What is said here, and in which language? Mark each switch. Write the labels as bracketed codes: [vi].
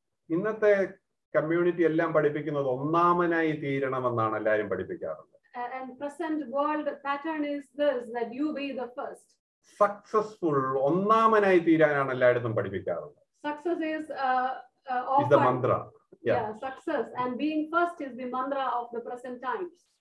[ml] ഇന്നത്തെ കമ്മ്യൂണിറ്റി എല്ലാം പഠിപ്പിക്കുന്നത് ഒന്നാമനായി തീരണമെന്നാണ് എല്ലാവരും പഠിപ്പിക്കാറുള്ളത് [en] and present world pattern is this that you be the first [ml] successful ഒന്നാമനായി തീരാനാണ് എല്ലായിടത്തും പഠിപ്പിക്കാറുള്ളത് [en] success is is the mantra yeah success and being first is the mantra of the present times